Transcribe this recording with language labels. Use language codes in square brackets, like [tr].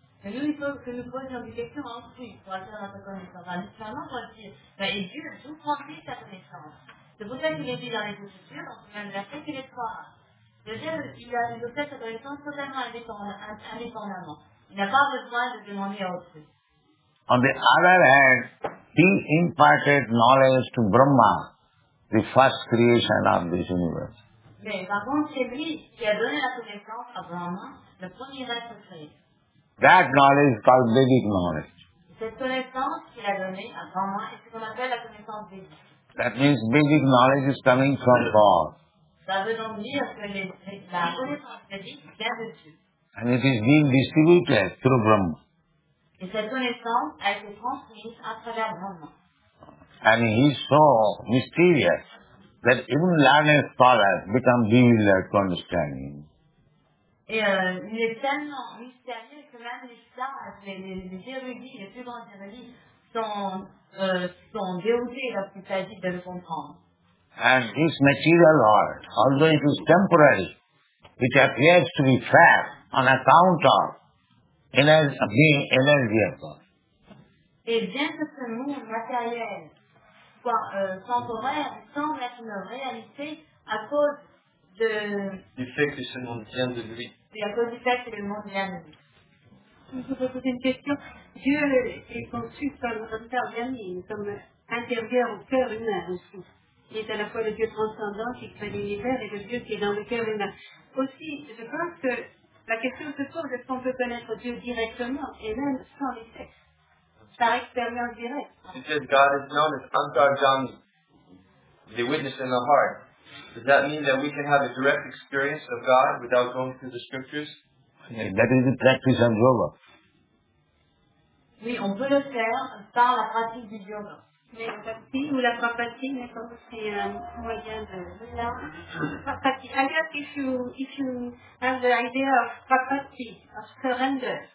[fr] Mais nous, il faut que nous posions des questions ensuite pour atteindre notre connaissance. Alors, finalement, pour dire, ben, et Dieu, d'où prend-il sa connaissance? C'est pour ça qu'il est dit dans les Écritures, dans le verset qu'il est croire. C'est-à-dire qu'il a une autre sa connaissance totalement indépendamment. Il n'a pas besoin de demander à autrui. [en] On the other hand, he imparted knowledge to Brahma, the first creation of this universe. [fr] Mais par contre, c'est lui qui a donné la connaissance à Brahma, le premier être créé. [en] That knowledge is called Vedic knowledge. [fr] Cette connaissance qu'il a donnée à Brahma est ce qu'on appelle la connaissance Vedic. [en] That means Vedic knowledge is coming from God. [fr] Ça veut donc dire que la connaissance Vedic vient de Dieu. [en] And it is being distributed through Brahma. [fr] Et cette connaissance, elle se transmise à travers Brahma. [en] And he is so mysterious that even learned scholars become bewildered to understand him. [fr] Et il est tellement mystérieux que même les sages, les érudits, les plus grands érudits sont déroutés lorsqu'il s'agit de le comprendre. [en] And this material world, although it is temporary, it appears to be fair on account of being energy of God. [fr] Et bien que ce monde matériel soit temporaire, semble être une réalité à cause de... Du fait que ce monde vient de lui. Et à cause du fait que le monde vient de lui. Je voudrais poser une question. Dieu est conçu comme intervenir, comme intervient au cœur humain aussi. Il est à la fois le Dieu transcendant qui crée l'univers et le Dieu qui est dans le cœur humain. Aussi, je pense que la question se pose est-ce qu'on peut connaître Dieu directement et même sans les textes, par expérience directe. [en] She said God is known as Antarjami, the witness in the heart. Does that mean that we can have a direct experience of God without going through the scriptures? Yeah, that is the practice of yoga. [fr] Oui, on peut le faire par la pratique du yoga. Mais la pratique ou la prapatie, mais comme c'est un moyen de prapatie. [en] I guess if you have the idea of prapatie, of surrender.